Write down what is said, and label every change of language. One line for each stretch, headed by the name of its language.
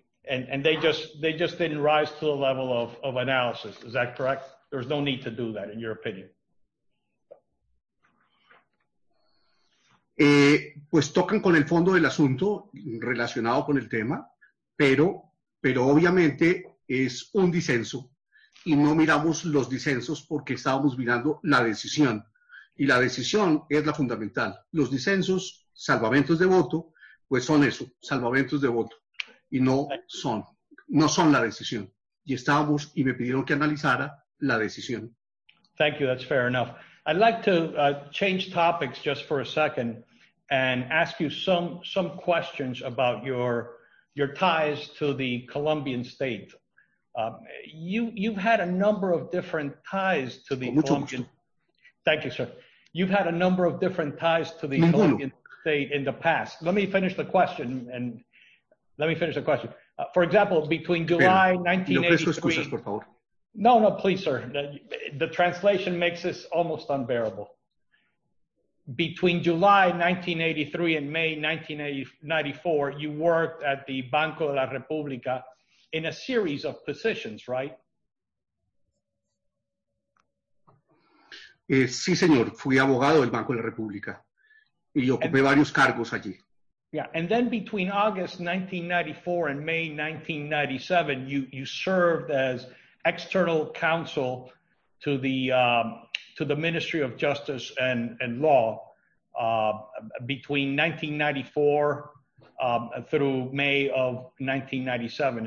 English: And they just didn't rise to the level of analysis. Is that correct? There's no need to do that, in your opinion.
Spanish: Pues tocan con el fondo del asunto relacionado con el tema, pero obviamente es un disenso y no miramos los disensos porque estábamos mirando la decisión. Y la decisión es la fundamental. Los disensos, salvamentos de voto, pues son eso, salvamentos de voto. Y no son la decisión. Y estábamos, y me pidieron que analizara la decisión.
English: Thank you, that's fair enough. I'd like to change topics just for a second and ask you some questions about your ties to the Colombian state. You've had a number of different ties to the Colombian. Thank you, sir. You've had a number of different ties to the Colombian state in the past. Let me finish the question. For example, between July 1983. No, please, sir. The translation makes this almost unbearable. Between July 1983 and May 1994, you worked at the Banco de la República in a series of positions, right?
Spanish: Sí, señor. Fui abogado del Banco de la República y ocupé varios cargos allí.
English: Yeah, and then between August 1994 and May 1997, you served as external counsel to the Ministry of Justice and Law between 1994 through May of 1997.